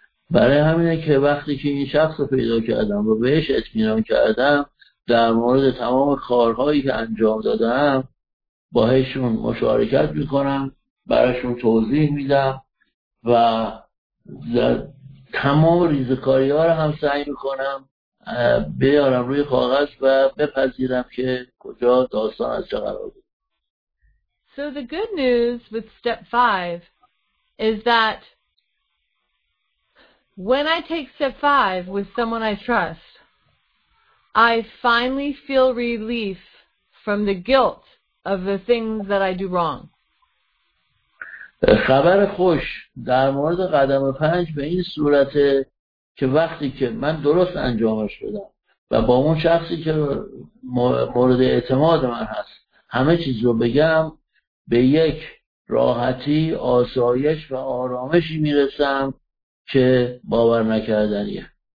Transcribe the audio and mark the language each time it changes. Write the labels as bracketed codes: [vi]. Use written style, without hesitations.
[fa] برای همینه که وقتی که این شخص رو پیدا کردم و بهش اطمینان کردم در مورد تمام کارهایی که انجام دادم باهاشون مشارکت میکنم، براشون توضیح میدم و تمام ریزکاری ها رو هم سعی میکنم بیارم روی کاغذ و بپذیرم که کجا داستان از چه قرار بود. [en] So the good news with step 5 is that when I take step 5 with someone I trust, I finally feel relief from the guilt of the things that I do wrong. [fa] خبر خوش در مورد قدم 5 به این صورته که وقتی که من درست انجامش بدم و با اون شخصی که مورد اعتماد من هست همه چیز رو بگم، به یک راحتی، آسایش و آرامشی میرسم که باور نکردنیه.